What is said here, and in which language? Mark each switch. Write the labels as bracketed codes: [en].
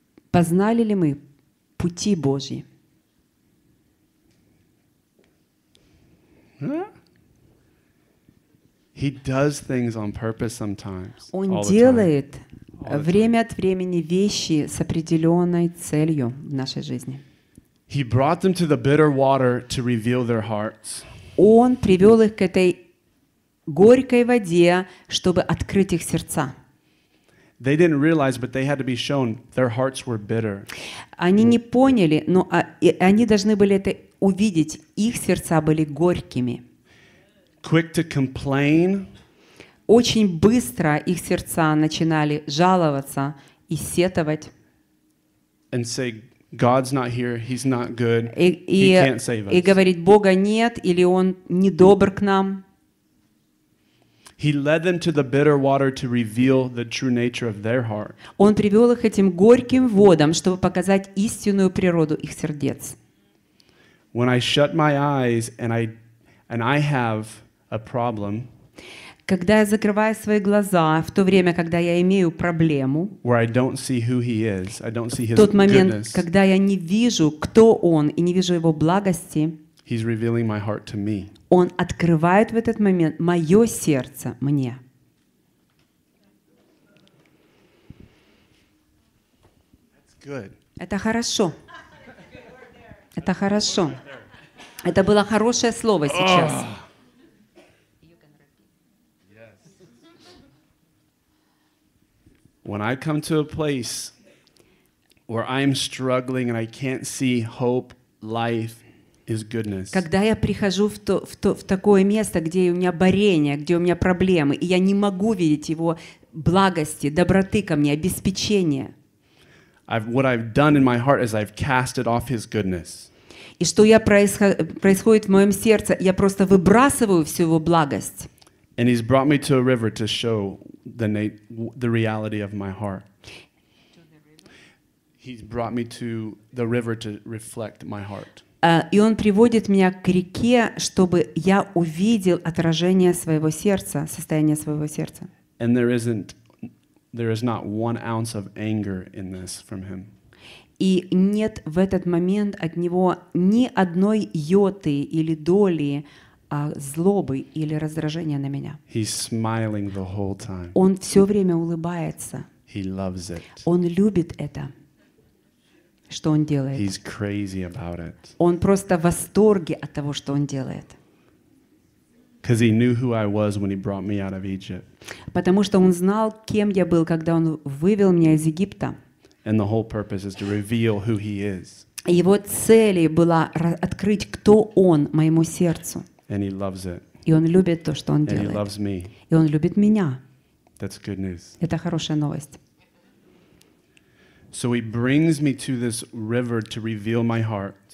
[ru] Познали ли мы пути Божьи? [en] He does things on purpose sometimes. [ru] Он делает время от времени вещи с определенной целью в нашей жизни. [en] He brought them to the bitter water to reveal their hearts. [ru] Он привел их к этой горькой воде, чтобы открыть их сердца. [en] They didn't realize, but they had to be shown their hearts were bitter. [ru] Они не поняли, но они должны были это увидеть. Их сердца были горькими. [en] Quick to complain. [ru] Очень быстро их сердца начинали жаловаться и сетовать. [en] And say, God's not here, he's not good, he can't save us. [ru] И говорить, Бога нет, или он не добр к нам. [en] He led them to the bitter water to reveal the true nature of their heart. [ru] Он привел их этим горьким водам, чтобы показать истинную природу их сердец. [en] When I shut my eyes and I have a problem. [ru] Когда я закрываю свои глаза, в то время, когда я имею проблему, в тот момент, когда я не вижу, кто он, и не вижу его благости, [en] he's revealing my heart to me. [ru] Он открывает в этот момент мое сердце мне. [en] That's good. [ru] Это хорошо. Это хорошо. Это было хорошее слово сейчас. [en] When I come to a place where I'm struggling and I can't see hope, life is goodness. [ru] Когда я прихожу в такое место, где у меня борение, где у меня проблемы, и я не могу видеть его благости, доброты ко мне, обеспечения. [en] What I've done in my heart is I've cast it off his goodness. [ru] И что я происходит в моем сердце, я просто выбрасываю всю его благость. [en] And he's brought me to a river to show the reality of my heart. He's brought me to the river to reflect my heart. [ru] И он приводит меня к реке, чтобы я увидел отражение своего сердца, состояние своего сердца. [en] And there is not one ounce of anger in this from him. [ru] И нет в этот момент от него ни одной йоты или доли злобы или раздражения на меня. [en] He's smiling the whole time. [ru] Он все время улыбается. [en] He loves it. [ru] Он любит это, что он делает. [en] He's crazy about it. [ru] Он просто в восторге от того, что он делает. [en] 'Cause he knew who I was when he brought me out of Egypt. [ru] Потому что он знал, кем я был, когда он вывел меня из Египта. [en] And the whole purpose is to reveal who he is. [ru] Его целью было открыть, кто он моему сердцу. [en] And he loves it. [ru] И он любит то, что он [en] And [ru] делает. [en] He loves me. [ru] И он любит меня. [en] That's good news. [ru] Это хорошая новость. [en] So he brings me to this river to reveal my heart.